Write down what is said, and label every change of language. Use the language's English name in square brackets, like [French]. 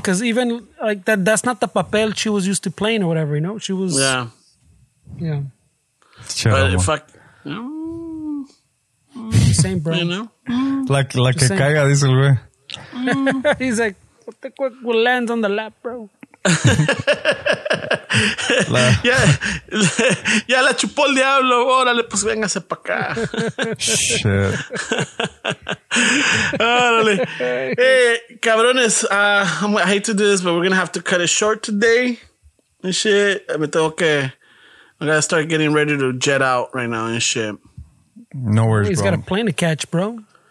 [English] Because even, like, that's not the papel she was used to playing or whatever, you know? She was... Yeah. Yeah. Terrible. But if I... same, bro. You know? [Spanish] Like que caiga, dice el güey. [English] He's like, what the fuck will land on the lap, bro? [Spanish] Ya la chupó el diablo, órale, pues véngase para acá. [English] Shit. [Spanish] Órale. [English] Hey, cabrones, I hate to do this, but we're gonna have to cut it short today. And shit, I mean, I gotta start getting ready to jet out right now and shit. No worries, bro. He's got a plane to catch, bro.